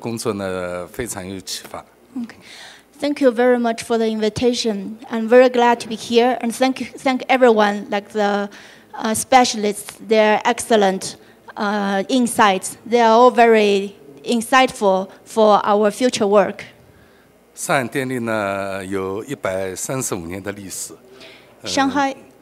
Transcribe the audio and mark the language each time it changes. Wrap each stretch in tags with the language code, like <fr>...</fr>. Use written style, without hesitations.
<zh>前面几位的精彩的演讲，这些都对我们的工作呢非常有启发。</zh> <en>Thank you very much for the invitation. I'm very glad to be here, and thank everyone, like the specialists. They're excellent insights. They are all very insightful for our future work.</en> <zh>上海电力呢有135年的历史。上海。</zh>